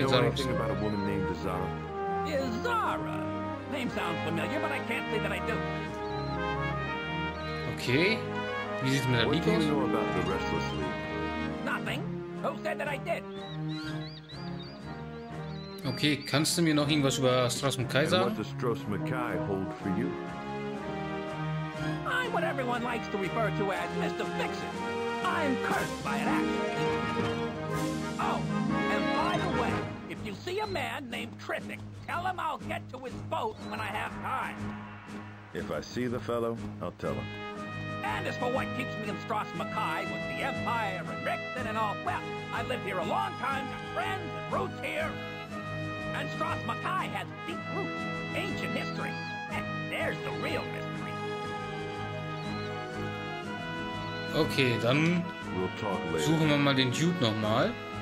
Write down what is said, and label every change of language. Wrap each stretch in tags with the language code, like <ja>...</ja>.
<en>You know anything about a woman named Zara? Zara. Name sounds familiar, but I can't say that I do.</en> <de>Okay. Wie sieht's mit der Liga aus?</de> <en>What do you know about the Restless League? Nothing. Who said that I did?</en> <de>Okay, kannst du mir noch irgendwas über Stros M'kai sagen?</de> <en>And what does Stros M'kai hold for you? I'm what everyone likes to refer to as Mr. Fix-It. I'm cursed by it, actually. Oh, and by the way, if you see a man named Trithic, tell him I'll get to his boat when I have time. If I see the fellow, I'll tell him. And as for what keeps me in Stros M'kai with the Empire and Richten and all, well, I lived here a long time, got friends and roots here. And Stros M'kai has deep roots, ancient history. And there's the real mystery.</en> <de>Okay, dann suchen wir mal den Dude nochmal.</de>